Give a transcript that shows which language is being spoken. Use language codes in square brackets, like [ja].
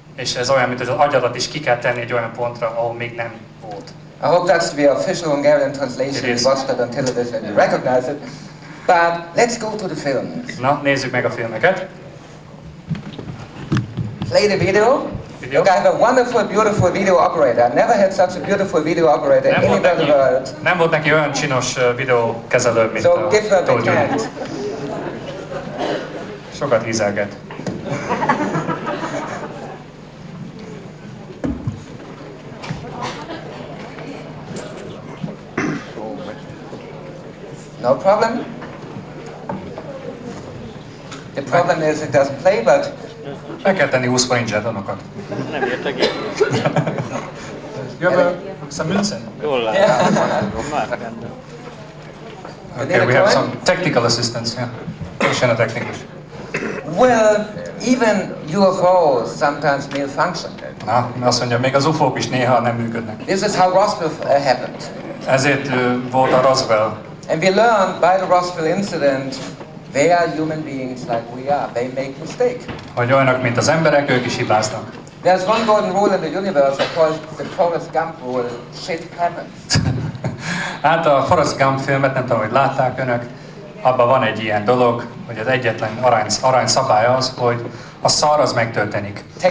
[hu] És ez olyan, mint hogy az agyadat is ki kell tenni egy olyan pontra, ahol még nem volt. [en] I hope that's the official Hungarian translation. You watched it on television, you recognize it. But let's go to the films. [hu] Na, nézzük meg a filmeket. [en] Play the video. Look, I have a wonderful, beautiful video operator. I never had such a beautiful video operator in the world. [hu] Nem volt neki olyan csinos videókezelő, mint [en] so a give her the hand. [hu] Sokat hízelget. [en] No problem. The problem is it doesn't play, but... [hu] Meg kell tenni 20 forint zsetonokat. Nem értek én. Jövő, some Münzen? Jól látom. [en] Okay, we have some technical assistance, yeah. [hu] Köszön a technikus. [en] Well, even UFOs sometimes malfunction. [hu] Na, azt mondja, még az UFO-k is néha nem működnek. [en] This is how Roswell happened. [hu] Ezért volt a Roswell. [en] And we learned by the Roswell incident, they are human beings like we are. They make mistakes. [hu] Hogy olyanok, mint az emberek, ők is hibáztak. [en] There's one golden rule in the universe, called the Forrest Gump rule, shit happens. [hu] Hát a Forrest Gump filmet, nem tudom, hogy látták önök, abban van egy ilyen dolog, hogy az egyetlen arany szabály az, hogy a szar az megtörténik.